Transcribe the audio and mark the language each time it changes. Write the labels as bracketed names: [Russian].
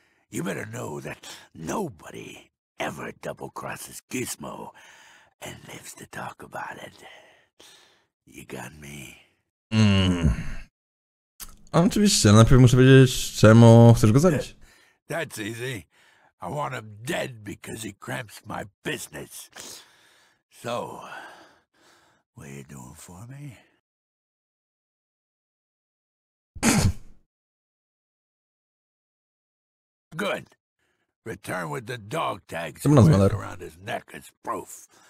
[English] You better know that nobody ever double crosses Gizmo and lives to talk about it. You got me? [Polish] Oczywiście, najpierw muszę wiedzieć, czemu chcesz go zabić. [English] That's easy. I want him dead because he cramps my business. So, what are you doing for me? Good. Return with the dog tags around his neck as proof.